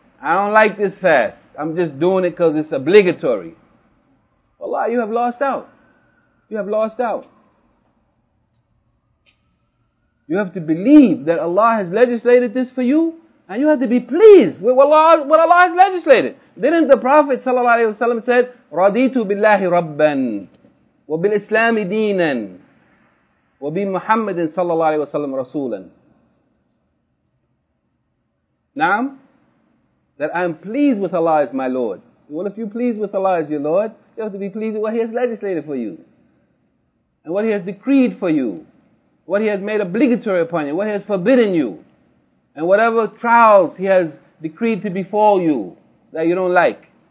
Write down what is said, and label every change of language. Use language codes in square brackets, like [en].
[en] I don't like this fast. I'm just doing it because it's obligatory. Allah, you have lost out. You have lost out. You have to believe that Allah has legislated this for you. And you have to be pleased with what Allah has legislated. Didn't the Prophet ﷺ say, [ar] رَضِيتُ بِاللَّهِ رَبًّا وَبِالْإِسْلَامِ دِينًا وَبِي مُحَمَّدٍ صَلَّى اللَّهِ عَلَيْهِ وَسَلَّمْ رَسُولًا. Naam? [en] That I am pleased with Allah as my Lord. Well, if you're pleased with Allah as your Lord, you have to be pleased with what He has legislated for you. And what He has decreed for you. What He has made obligatory upon you. What He has forbidden you. And whatever trials He has decreed to befall you that you don't like.